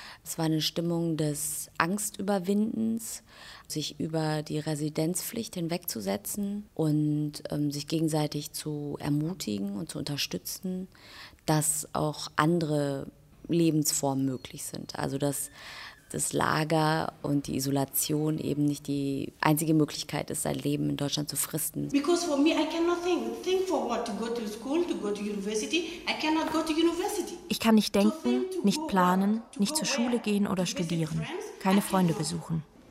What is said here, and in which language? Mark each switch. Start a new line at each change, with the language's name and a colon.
German: Es war eine Stimmung des Angstüberwindens, sich über die Residenzpflicht hinwegzusetzen und sich gegenseitig zu ermutigen und zu unterstützen, dass auch andere Lebensformen möglich sind. Also dass das Lager und die Isolation eben nicht die einzige Möglichkeit ist, sein Leben in Deutschland zu fristen.
English: Because for me I cannot think for what to go to school, to go to university. I cannot go to university.
German: Ich kann nicht denken, nicht planen, nicht zur Schule gehen oder studieren, keine Freunde besuchen.